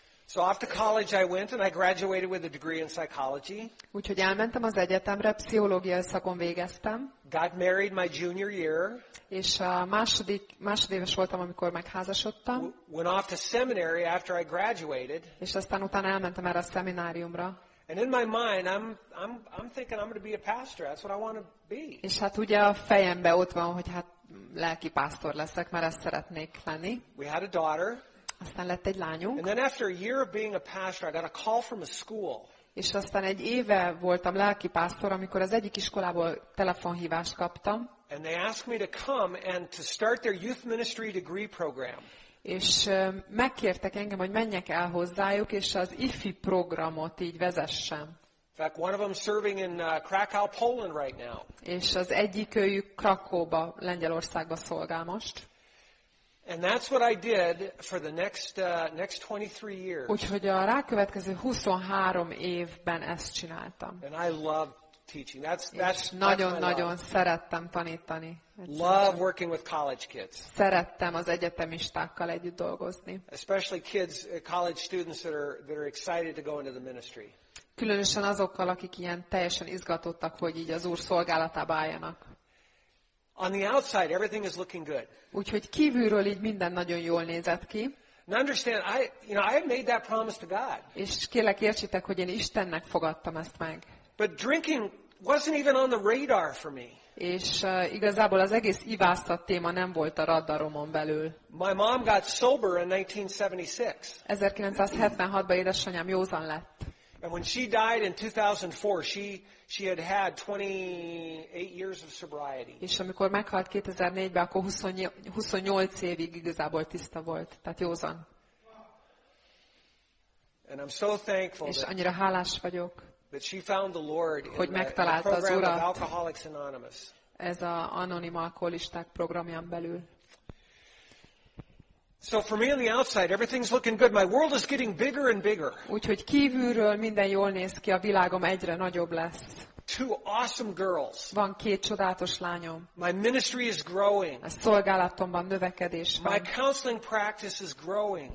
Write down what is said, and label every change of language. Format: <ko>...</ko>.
<en>So off to college I went and I graduated with a degree in psychology.</en> <hu>Úgyhogy elmentem az egyetemre, pszichológiai szakon végeztem.</hu> <en>Got married my junior year.</en> <hu>És a másodéves voltam, amikor megházasodtam.</hu> <en>Went off to seminary after I graduated.</en> <hu>És aztán utána elmentem erre a szemináriumra.</hu> <en>And in my mind I'm thinking I'm going to be a pastor. That's what I want to be.</en> <hu>És hát ugye a fejembe ott van, hogy hát lelki pásztor leszek, mert ezt szeretnék lenni.</hu> <en>We had a daughter.</en> <hu>Aztán lett egy lányunk.</hu> <en>And then after a year of being a pastor, I got a call from a school.</en> <hu>És aztán egy éve voltam lelki pásztor, amikor az egyik iskolából telefonhívást kaptam.</hu> <en>And they asked me to come and to start their youth ministry degree program.</en> <hu>És megkértek engem, hogy menjek el hozzájuk és az IFI programot így vezessem.</hu> <en>In fact, one of them serving in Krakow, Poland right now.</en> <hu>És az egyikőjük Krakóba, Lengyelországba szolgál most.</hu> <en>And that's what I did for the next 23 years.</en> <hu>Úgyhogy a rákövetkező 23 évben ezt csináltam.</hu> <en>And I love teaching. That's</en> <hu>nagyon-nagyon szerettem tanítani.</hu> <en>Love working with college kids.</en> <hu>Szerettem az egyetemistákkal együtt dolgozni.</hu> <en>Especially kids, college students that are excited to go into the ministry.</en> <hu>Különösen azokkal, akik ilyen teljesen izgatottak, hogy így az Úr szolgálatába álljanak.</hu> <en>On the outside, everything is looking good.</en> <hu>Úgyhogy kívülről így minden nagyon jól nézett ki.</hu> <en>Now understand, I made that promise to God.</en> <hu>És kérlek értsétek, hogy én Istennek fogadtam ezt meg.</hu> <en>But drinking wasn't even on the radar for me.</en> <hu>És igazából az egész ivászat téma nem volt a radaromon belül.</hu> <en>My mom got sober in 1976.</en> <hu>1976-ban édesanyám józan lett.</hu> <en>And when she died in 2004, she had had 28 years of sobriety.</en> <hu>És amikor meghalt 2004-ben, akkor 28 évig igazából tiszta volt, tehát józan.</hu> <en>And I'm so thankful.</en> <hu>És annyira hálás vagyok.</hu> <en>That she found the Lord in</en> <hu>hogy megtalálta az Urat.</hu> <en>Alcoholics Anonymous.</en> <hu>Ez a anonim alkoholisták programján belül.</hu> <en>So for me on the outside everything's looking good. My world is getting bigger and bigger.</en> <hu>Úgyhogy kívülről minden jól néz ki, a világom egyre nagyobb lesz.</hu> <en>Two awesome girls.</en> <hu>Van két csodálatos lányom.</hu> <en>My ministry is growing.</en> <hu>A szolgálatomban növekedés van.</hu> <en>My counseling practice is growing.</en>